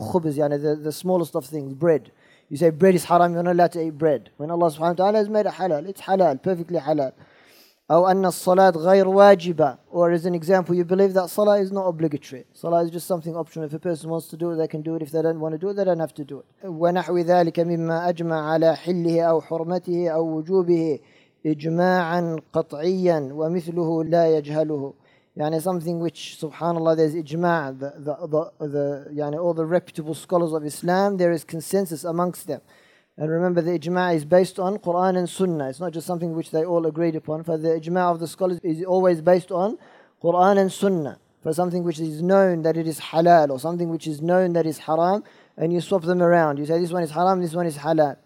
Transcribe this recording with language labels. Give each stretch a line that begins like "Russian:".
English: خبز, the smallest of things, bread. You say bread is haram, you're not allowed to eat bread. When Allah subhanahu wa ta'ala has made it halal, it's halal, perfectly halal.
Arabic: أو أن الصلاة غير واجبة,
English: or as an example, you believe that salah is not obligatory. Salah is just something optional. If a person wants to do it, they can do it. If they don't want to do it, they don't have to do it.
Arabic: ونحو ذلك مما أجمع على حله أو حرمته أو وجوبه إجماعا قطعيا ومثله لا يجهله.
English: Something which, subhanAllah, there's إجماع. All the reputable scholars of Islam, there is consensus amongst them. And remember, the ijma' is based on Quran and Sunnah. It's not just something which they all agreed upon. For the ijma' of the scholars is always based on Quran and Sunnah. For something which is known that it is halal, or something which is known that is haram, and you swap them around. You say this one is haram, this one is halal.